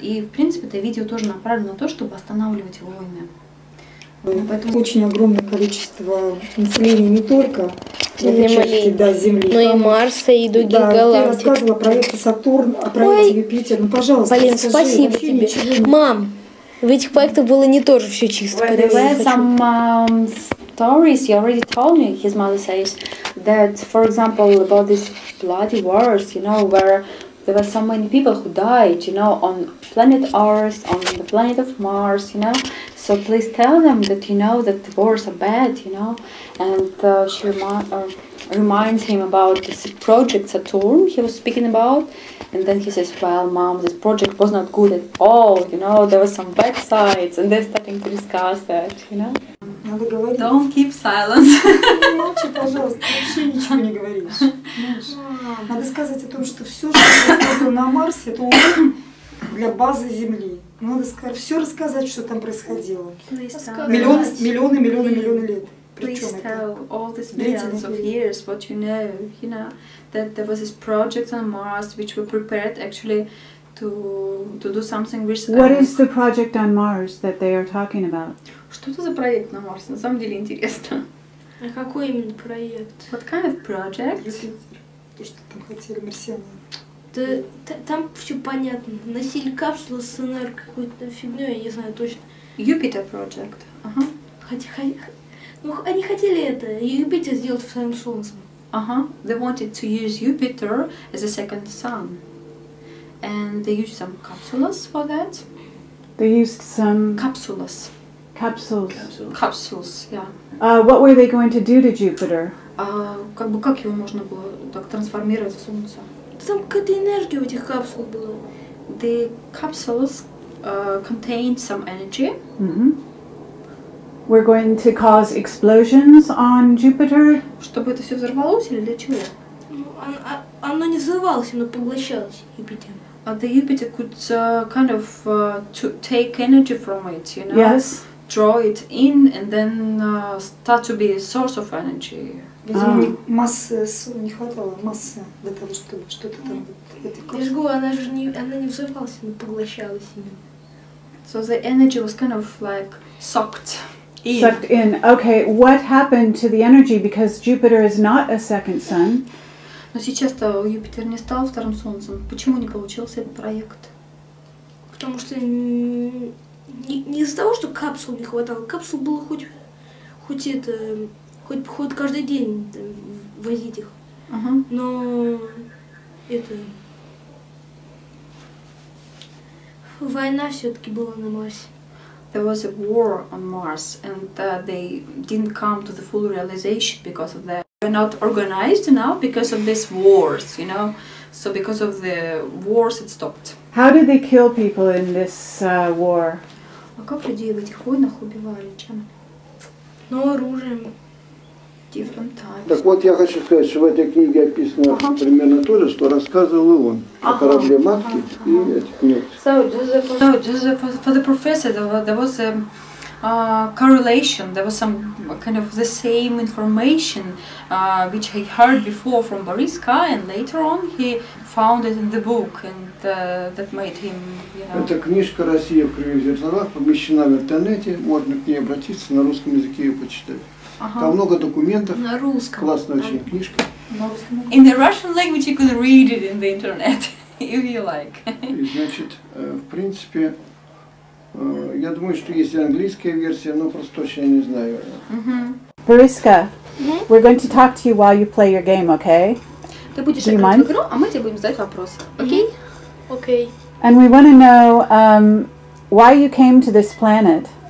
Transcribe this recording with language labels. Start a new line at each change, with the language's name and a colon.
Russian: И, в принципе, это видео тоже направлено на то, чтобы останавливать войны. Поэтому... Очень огромное количество населения не только этой части, да, Земли, но и Марса, и других да, галактик. Да, ты рассказывала про это Сатурн, о проекте Юпитер. Ну, пожалуйста, Полин, скажи, спасибо тебе. Мам! В этих проектах было не тоже все чисто.
English: Well, there were some stories you already told me. His mother says that, for example, about these bloody wars, you know, where there were so many people who died, you know, on planet Earth, on the planet of Mars, you know. So please tell them that you know that the wars are bad, you know. And she reminds him about this project Saturn he was speaking about. And then he says, well, mom, this project was not good at all, you know, there were some bad sides, and they're starting to discuss that, you know.
Russian: Ну, надо говорить.
English: Don't keep silence.
Russian: Молчи, пожалуйста, вообще ничего не говоришь. Надо сказать о том, что все, что происходило на Марсе, это для базы Земли. Надо все рассказать, что там происходило. Миллионы, миллионы, миллионы, миллионы лет.
English: Please tell all these millions of years what you know, that there was this project on Mars which were prepared actually to do something with... What is the project on Mars that they are talking about?
Russian: Что это за проект на Марсе? На самом деле интересно. А какой именно проект?
English: What kind of project?
Russian: То, что там хотели марсиане. Да там все понятно. Носили капсулу с НР какой-то фигней, я не знаю точно. Юпитер проект. Ага. Ну, они хотели это, Юпитер сделать вторым солнцем.
English: Ага, they wanted to use Jupiter as a second sun. And they used some capsules for that. They used some... Capsules. Capsules. Capsules, yeah. What were they going to do to Jupiter?
Russian: Как бы как его можно было так трансформировать в солнце? Там какая-то энергия в этих капсулах была.
English: The capsules contained some energy. Mm-hmm. We're going to cause explosions on Jupiter.
Russian: Чтобы это все взорвалось или для чего? Оно не взорвалось, оно поглощалось Юпитером.
English: The Jupiter could kind of to take energy from it, you know? Yes. Draw it in and then start to be a source of energy.
Russian: Массы не хватало, массы для того, чтобы что-то там... Держу, она не взорвалась, она поглощалась именно.
English: So the energy was kind of like sucked. Sucked in. Okay, what happened to the energy? Because Jupiter is not a second sun.
Russian: Но сейчас-то Юпитер не стал вторым солнцем. Почему не получился этот проект? Потому что не из-за того, что капсул не хватало. Капсул было хоть каждый день там, возить их. Uh-huh. Но это война все-таки была на Марсе.
English: There was a war on Mars, and they didn't come to the full realization because of that. They're not organized now because of these wars, you know? So because of the wars, it stopped. How did they kill people in this war?
Russian: А как людей в этих войнах убивали? Чем? Ну, оружием.
English: Different types.
Russian: Так вот, я хочу сказать, что в этой книге описано примерно то же, что рассказывал он о корабле матки и этих нет.
English: So, for the professor, there was a correlation, there was some kind of the same information which he heard before from Бориска, and later on he found it in the book, and that made him, you know.
Russian: Эта книжка «Россия в кривых зеркалах» помещена в интернете, можно к ней обратиться, на русском языке ее почитать. Uh-huh. Там много документов. На русском. Классная очень книжка.
English: In the Russian language you can read it in the internet, if you like.
Russian: И, значит, в принципе, я думаю, что есть английская версия, но просто точно не знаю. Uh-huh.
English: Бориска, we're going to talk to you while you play your game, okay?
Russian: Ты будешь играть в игру, а мы тебе будем задать вопросы, окей? Окей.
English: And we want to know why you came to this planet.